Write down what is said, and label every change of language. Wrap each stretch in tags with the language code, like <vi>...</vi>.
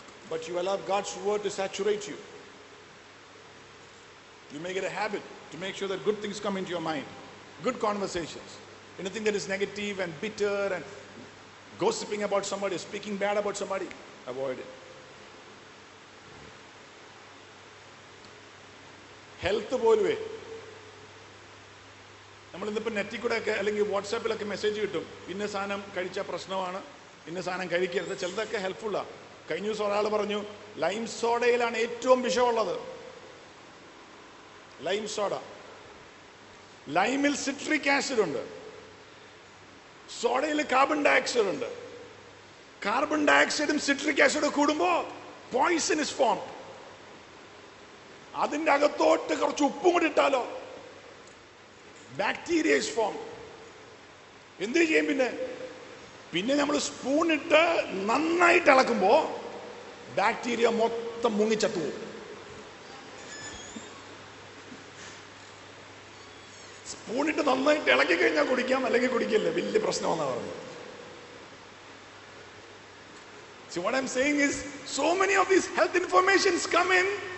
<en>But you allow God's word to saturate you. You make it a habit to make sure that good things come into your mind. good conversations. Anything that is negative and bitter and gossiping about somebody, speaking bad about somebody, avoid it.</en> <ml>Health പോലുവേ, നമ്മളിന്നിപ്പോൾ നെറ്റിൽ കൂടെ ഒക്കെ അല്ലെങ്കിൽ വാട്സാപ്പിലൊക്കെ message കിട്ടും, ഇന്ന സാധനം കഴിച്ചാൽ പ്രശ്നമാണ്, ഇന്ന സാധനം കഴിക്കരുത്. ചിലതൊക്കെ ഹെൽപ്ഫുള്ളാണ്. കഴിഞ്ഞ ദിവസം ഒരാൾ പറഞ്ഞു ലൈം സോഡയിലാണ് ഏറ്റവും വിഷമുള്ളത്. ലൈം സോഡ, ലൈമിൽ സിട്രിക് ആസിഡ് ഉണ്ട്, സോഡയിൽ കാർബൺ ഡയോക്സൈഡ് ഉണ്ട്. കാർബൺ ഡയോക്സൈഡും സിട്രിക് ആസിഡും കൂടുമ്പോൾ</ml> <en>Poison is form.</en> <ml>അതിൻ്റെ അകത്തോട്ട് കുറച്ച് ഉപ്പും കൂടി ഇട്ടാലോ</ml> <en>Bacteria is form.</en> <ml>എന്ത് ചെയ്യും പിന്നെ? പിന്നെ നമ്മൾ സ്പൂണിട്ട് നന്നായിട്ട് ഇളക്കുമ്പോൾ ബാക്ടീരിയ മൊത്തം മുങ്ങിച്ചത്തുപോകും. സ്പൂണിട്ട് നന്നായിട്ട് ഇളക്കി കഴിഞ്ഞാൽ കുടിക്കാം, അല്ലെങ്കിൽ കുടിക്കില്ല, വലിയ പ്രശ്നമാണെന്നാണ് പറഞ്ഞത്.</ml> <en>See what I'm saying is, so many of these health informations come in.</en>